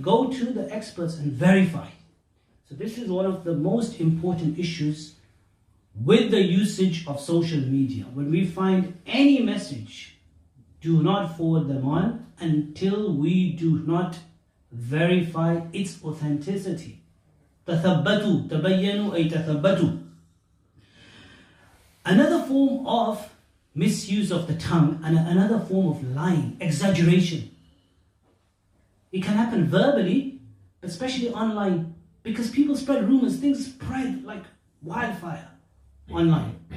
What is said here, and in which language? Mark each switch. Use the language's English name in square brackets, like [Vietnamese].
[English] Go to the experts and verify. So this is one of the most important issues with the usage of social media. When we find any message, do not forward them on until we do not verify its authenticity. [Arabic] تَثَبَّتُوا تَبَيَّنُوا أَيْ تَثَبَّتُوا. [English] Another form of misuse of the tongue and another form of lying, exaggeration. It can happen verbally, especially online, because people spread rumors, things spread like wildfire online.